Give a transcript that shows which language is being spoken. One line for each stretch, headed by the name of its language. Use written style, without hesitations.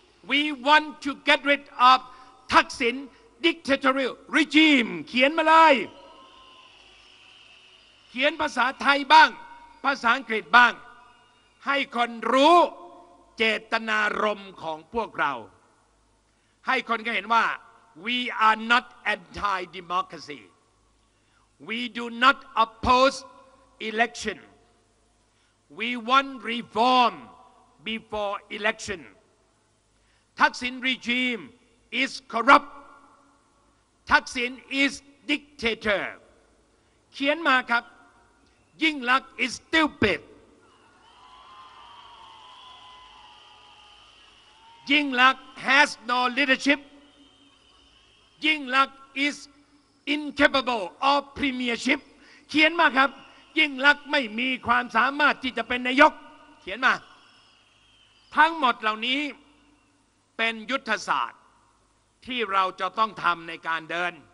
English: We want to get rid of Thaksin dictatorial regime.
Thai: เขียนมาเลยเขียนภาษาไทยบ้างภาษาอังกฤษบ้างให้คนรู้เจตนารมณ์ของพวกเราให้คนก็เห็นว่า
English: We are not anti-democracyWe do not oppose election. We want reform before election. Thaksin regime is corrupt. Thaksin is dictator.
Thai: เขียนมาครับ ยิ่งลักษณ์
English: is stupid.
Thai: ยิ่งลักษณ์
English: has no leadership.
Thai: ยิ่งลักษณ์
English: isincapable of premiership
Thai: เขียนมาครับยิ่งลักษณ์ไม่มีความสามารถที่จะเป็นนายกเขียนมาทั้งหมดเหล่านี้เป็นยุทธศาสตร์ที่เราจะต้องทำในการเดิน